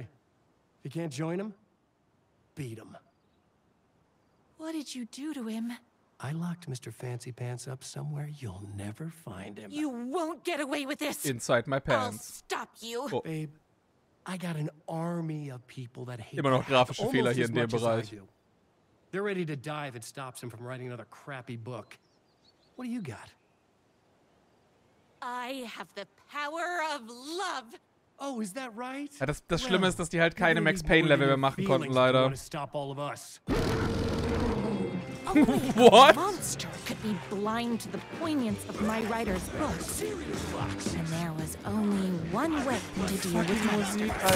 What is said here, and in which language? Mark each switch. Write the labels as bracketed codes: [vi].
[en] If you can't join him, beat him. What did you do to him? I locked Mr. Fancy Pants up somewhere you'll never find him. You won't get away with this. Inside my pants. I'll stop you. Oh. Babe, I got an army of people that hate him. [de] Immer noch grafische Fehler hier in dem Bereich. [en] They're ready to die if it stops him from writing another crappy book. What do you got? I have the power of love. Oh, is that right? [de] Ja, das Schlimme ist, dass die halt keine Max Payne Level mehr machen konnten, leider. [en] Stop all of us. What? A monster could be blind to the poignance of my writer's books. And there was only one way to deal with monsters.